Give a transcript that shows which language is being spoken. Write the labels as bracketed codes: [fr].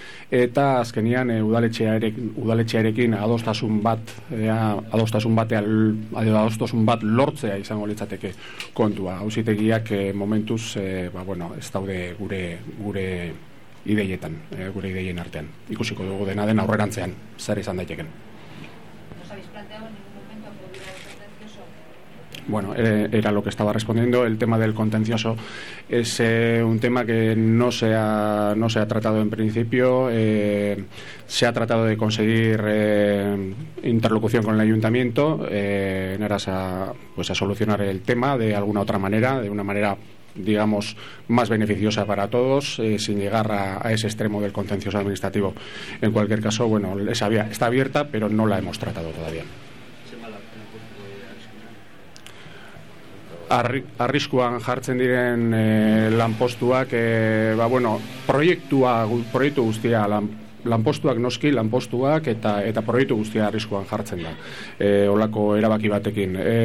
[eu] Eta azkenean udaletxearekin adostasun bat lortzea izango litzateke kontua. Auzitegiak momentuz ez daude gure ideietan, gure ideien artean. Ikusiko dugu dena den aurrerantzean zer izan daiteken. [es] Bueno, era lo que estaba respondiendo. El tema del contencioso es un tema que no se ha tratado en principio. Se ha tratado de conseguir interlocución con el ayuntamiento en aras a solucionar el tema de alguna otra manera, de una manera, digamos, más beneficiosa para todos, sin llegar a ese extremo del contencioso administrativo. En cualquier caso, bueno, esa vía está abierta, pero no la hemos tratado todavía. [eu] Arriskuan jartzen diren lanpostuak proiektu guztia lanpostuak noski, lanpostuak eta proiektu guztia arriskuan jartzen da holako erabaki batekin.